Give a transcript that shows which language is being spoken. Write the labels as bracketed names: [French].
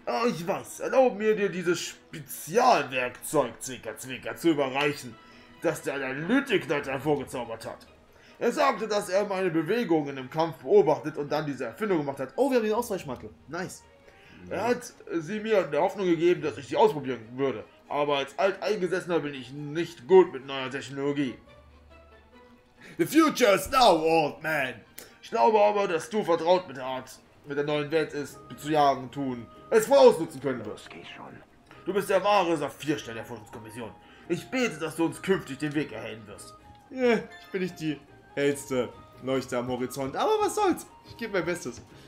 [German] Ich weiß, erlaub mir dir dieses Spezialwerkzeug, Zwinker, zu überreichen, das der Analytiknut hervorgezaubert hat. Er sagte, dass er meine Bewegungen im Kampf beobachtet und dann diese Erfindung gemacht hat. Oh, wir haben den Ausweichmantel. Nice. Ja. Er hat sie mir in der Hoffnung gegeben, dass ich sie ausprobieren würde. Aber als Alteingesessener bin ich nicht gut mit neuer Technologie. [English] The future is now, old man. [German] Ich glaube aber, dass du vertraut mit der Art... mit der neuen Welt ist, zu jagen, tun, es vorausnutzen können wirst. Geh schon. Du bist der wahre Saphirstern der Forschungskommission. Ich bete, dass du uns künftig den Weg erhellen wirst. Ja, ich bin nicht die hellste Leuchte am Horizont, aber was soll's? Ich gebe mein Bestes.